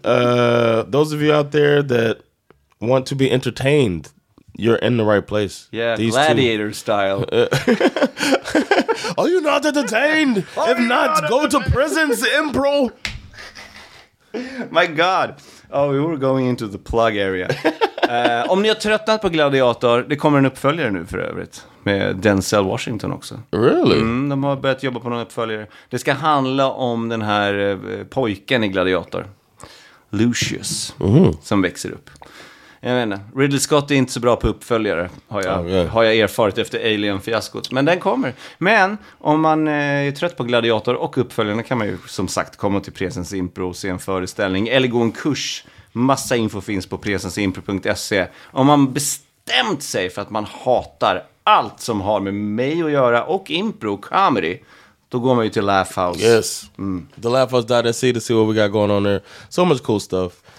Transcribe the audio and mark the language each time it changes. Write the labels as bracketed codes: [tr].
[en] Those of you out there that want to be entertained, you're in the right place. Yeah, these gladiator two. Style. Are you not entertained? If not, go to prisons, impro. My god. Oh, we were going into the plug area. [sv] Om ni har tröttnat på Gladiator, det kommer en uppföljare nu för övrigt. Med Denzel Washington också. [en] Really? [sv] Mm, de har börjat jobba på någon uppföljare. Det ska handla om den här pojken i Gladiator. Lucius. Mm-hmm. Som växer upp. Jag menar, Ridley Scott är inte så bra på uppföljare, har jag, har jag erfarit efter Alien-fiaskot. Men den kommer. Men om man är trött på Gladiator och uppföljarna kan man ju som sagt komma till Presens Impro och se en föreställning. Eller gå en kurs. Massa info finns på presensimpro.se. Om man bestämt sig för att man hatar allt som har med mig att göra och impro comedy, då går man ju till Laugh House. [en] Yes, the laughhouse.se to see what we got going on there. So much cool stuff.